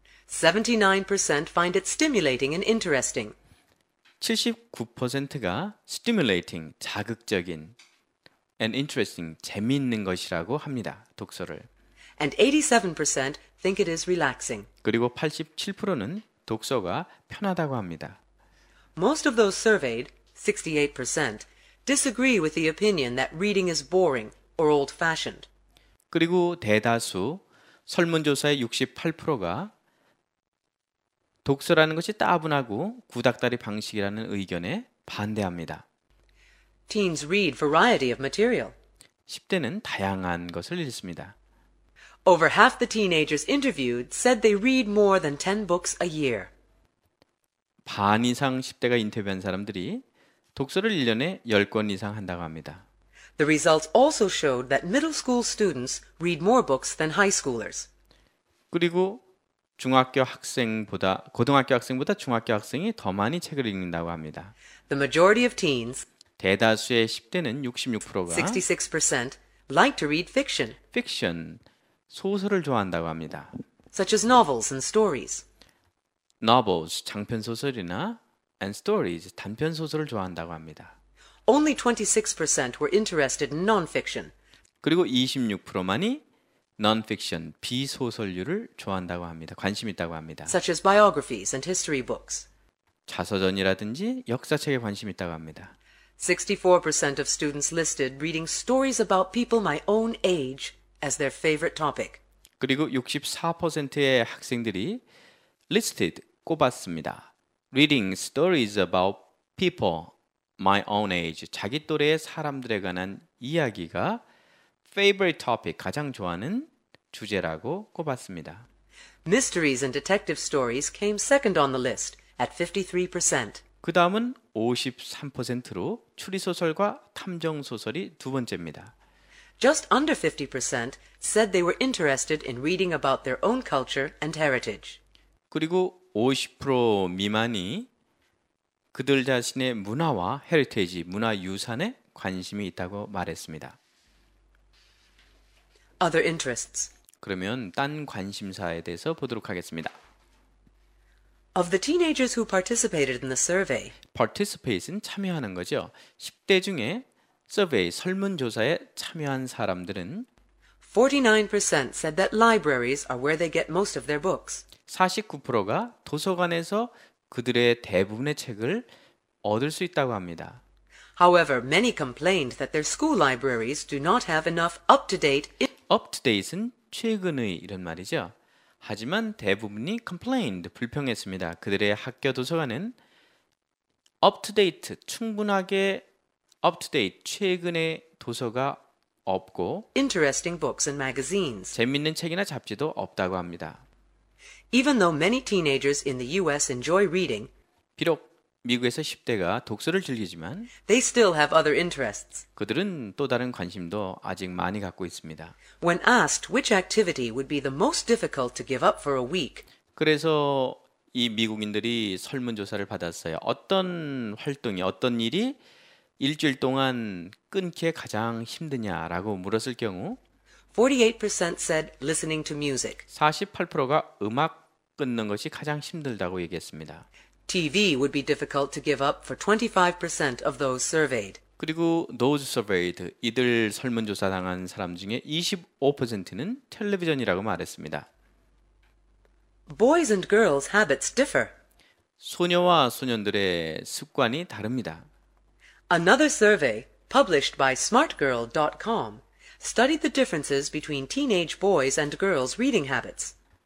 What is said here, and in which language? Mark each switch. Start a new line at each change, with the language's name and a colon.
English: 79% find it stimulating and interesting.
Korean: 79%가 stimulating, 자극적인
English: and interesting,
Korean: 재미있는 것이라고 합니다. 독서를.
English: And 87% think it is relaxing.
Korean: 그리고 87%는 독서가 편하다고 합니다.
English: Most of those surveyed, 68%, disagree with the opinion that reading is boring or old-fashioned.
Korean: 그리고 대다수 설문조사의 68%가 독서라는 것이 따분하고 구닥다리 방식이라는 의견에 반대합니다.
English: Teens read variety of material.
Korean: 10대는 다양한 것을 읽습니다.
English: Over half the teenagers interviewed said they read more than 10 books a year.
Korean: 반 이상 10대가 인터뷰한 사람들이 독서를 1년에 10권 이상 한다고 합니다.
English: The results also showed that middle school students read more books than high schoolers.
Korean: 그리고 중학교 학생보다 고등학교 학생보다 중학교 학생이 더 많이 책을 읽는다고 합니다.
English: The majority of teens
Korean: 대다수의 10대는 66%가
English: 66% like to read fiction.
Korean: Fiction 소설을 좋아한다고 합니다.
English: Such as novels and stories.
Korean: Novels 장편 소설이나
English: and stories
Korean: 단편 소설을 좋아한다고 합니다.
English: Only 26% were interested in non-fiction.
Korean: 그리고 26%만이 non-fiction, 비소설류를 좋아한다고 합니다. 관심 있다고 합니다.
English: Such as biographies and history books.
Korean: 자서전이라든지 역사책에 관심 있다고 합니다.
English: 64% of students listed reading stories about people my own age as their favorite topic.
Korean: 그리고 64%의 학생들이 listed, 꼽았습니다.
English: Reading stories about people my own age,
Korean: 자기 또래의 사람들에 관한 이야기가
English: favorite topic,
Korean: 가장 좋아하는 주제라고 꼽았습니다.
English: Mysteries and detective stories came second on the list at 53%.
Korean: 그 다음은 53%로 추리소설과 탐정소설이 두 번째입니다.
English: Just under 50% said they were interested in reading about their own culture and heritage.
Korean: 그리고 50% 미만이 그들 자신의 문화와 헤리티지, 문화유산에 관심이 있다고 말했습니다.
English: Other interests.
Korean: 그러면 딴 관심사에 대해서 보도록 하겠습니다.
English: Of the teenagers who participated in the survey.
Korean: Participate는 참여하는 거죠. 10대 중에 survey, 설문조사에 참여한 사람들은
English: 49% said that libraries are where they get most of their books.
Korean: 49%가 도서관에서 그들의 대부분의 책을 얻을 수 있다고 합니다.
English: However, many complained that their school libraries do not have enough up-to-date
Korean: Up-to-date은 최근의 이런 말이죠. 하지만 대부분이 complained, 불평했습니다. 그들의 학교 도서관은 up-to-date, 충분하게 up-to-date, 최근의 도서가 없고
English: interesting books and magazines.
Korean: 재밌는 책이나 잡지도 없다고 합니다.
English: Even though many teenagers in the US enjoy reading,
Korean: 비록 미국에서 10대가 독서를 즐기지만
English: they still have other interests.
Korean: 그들은 또 다른 관심도 아직 많이 갖고 있습니다.
English: When asked which activity would be the most difficult to give up for a week,
Korean: 그래서 이 미국인들이 설문조사를 받았어요. 어떤 활동이, 어떤 일이 일주일 동안 끊기에 가장 힘드냐라고 물었을 경우
English: 48% said listening to music.
Korean: 48%가 음악 끊는 것이 가장 힘들다고 얘기했습니다.
English: TV would be difficult to give up for 25% of those surveyed.
Korean: 그리고
English: those surveyed,
Korean: 이들 설문조사 당한 사람 중에 25%는 텔레비전이라고 말했습니다.
English: Boys and girls' habits differ.
Korean: 소녀와 소년들의 습관이 다릅니다.
English: Another survey, published by smartgirl.com, studied the differences between teenage boys and girls' reading habits.